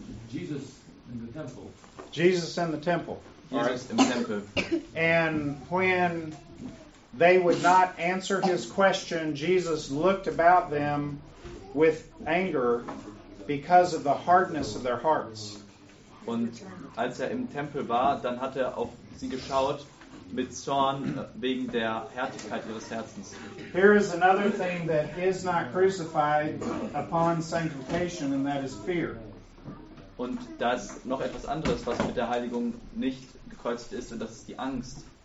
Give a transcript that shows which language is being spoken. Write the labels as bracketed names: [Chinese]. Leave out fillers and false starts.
[English] Jesus in the temple. Jesus in the temple. Jesus right. [German] Im Tempel. [English] And when they would not answer his question, Jesus looked about them with anger because of the hardness of their hearts. [German] Und als im Tempel war, dann hat auf sie geschaut mit Zorn wegen der Härtigkeit ihres Herzens. [English] Here is another thing that is not crucified upon sanctification, and that is fear. [German] Und da ist noch etwas anderes, was mit der Heiligung nicht gekreuzigt ist, und das ist die Angst.